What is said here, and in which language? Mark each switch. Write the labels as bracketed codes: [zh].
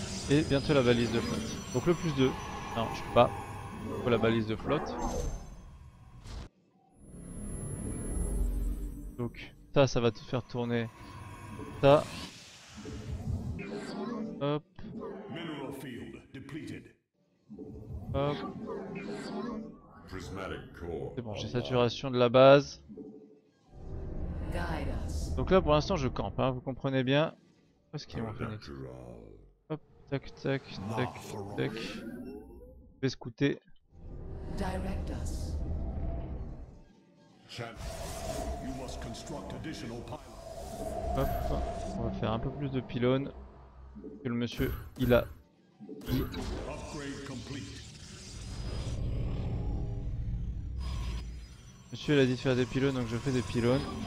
[fr] Et bientôt la balise de flotte. Donc le plus 2. Non, je peux pas. Il faut la balise de flotte. Donc ça, ça va te faire tourner ça. Hop. [en] Mineral field depleted. Hop. Prismatic core. [fr] C'est bon, j'ai saturation de la base. Donc là pour l'instant je campe, hein, vous comprenez bien. Où est-ce qu'il est mon phoenix ? Tac tac tac tac. Je vais scouter. [en] Direct us. You must construct additional pylons. [fr] Hop, on va faire un peu plus de pylônes que le monsieur il a. [en] Upgrade complete. [fr] Monsieur il a dit de faire des pylônes donc je fais des pylônes.